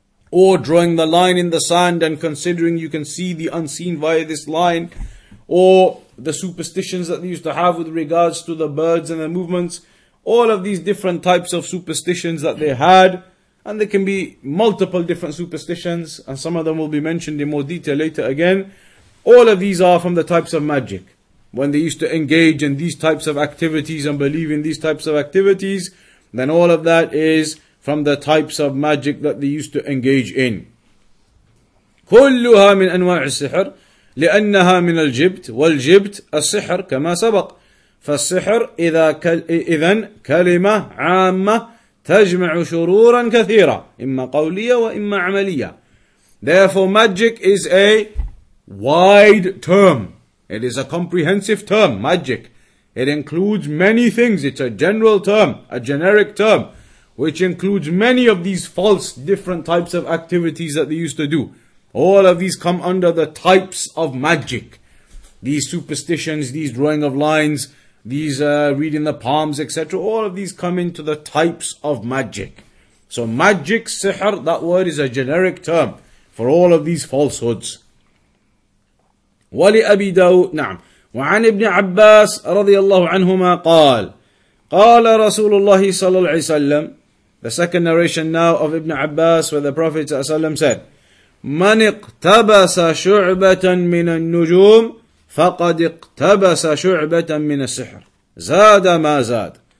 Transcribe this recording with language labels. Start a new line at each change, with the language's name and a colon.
English: or drawing the line in the sand and considering you can see the unseen via this line, or the superstitions that they used to have with regards to the birds and their movements, all of these different types of superstitions that they had, and there can be multiple different superstitions, and some of them will be mentioned in more detail later again, all of these are from the types of magic. When they used to engage in these types of activities and believe in these types of activities, then all of that is from the types of magic that they used to engage in.
Arabic: كلها من أنواع السحر لأنها من الجبت والجبت السحر كما سبق فالسحر إذن كلمة عامة تجمع شرورا كثيرة إما قولية وإما عملية.
English: Therefore magic is a wide term. It is a comprehensive term, magic. It includes many things. It's a general term, a generic term, which includes many of these false different types of activities that they used to do. All of these come under the types of magic. These superstitions, these drawing of lines, these reading the palms, etc. All of these come into the types of magic. So magic, sihr, that word is a generic term for all of these falsehoods.
Arabic: ولأبي داود نعم وعن ابن عباس رضي الله عنهما قال قال رسول الله صلى الله عليه وسلم
English: The second narration now of Ibn Abbas where the Prophet صلى الله عليه وسلم said
Arabic: من اقتبس شعبة من النجوم فقد اقتبس شعبة من السحر زاد ما زاد